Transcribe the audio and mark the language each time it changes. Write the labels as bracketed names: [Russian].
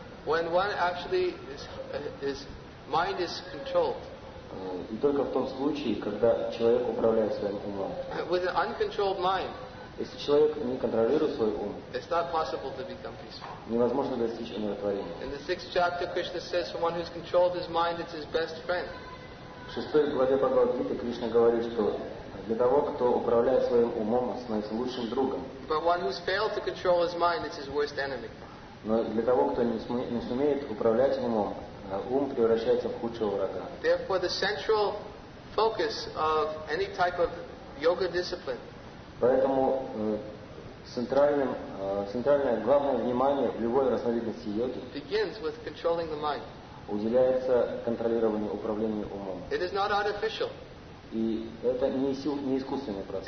[English] When one actually his mind is controlled. [Russian] И только в том случае, когда человек управляет своим умом. [English] With an uncontrolled mind. [Russian] Если человек не контролирует свой ум, [English] it's not possible to become peaceful. [Russian] Невозможно достичь умиротворения. [English] In the sixth chapter, Krishna says, for one who's controlled his mind, it's his best friend. [Russian] В шестой главе Бхагавад-гиты Кришна говорит, что для того, кто управляет своим умом, становится лучшим другом. [English] But one who's failed to control his mind, it's his worst enemy. [Russian] Но для того, кто не сумеет управлять умом, ум превращается в худшего врага. [English] Therefore, the central focus of any type of yoga discipline. [Russian] Поэтому центральное главное внимание в любой разновидности йоги [English] begins with controlling the mind. [Russian] Уделяется контролированию, управлению умом. [English] It is not artificial. [Russian] И это не искусственный процесс.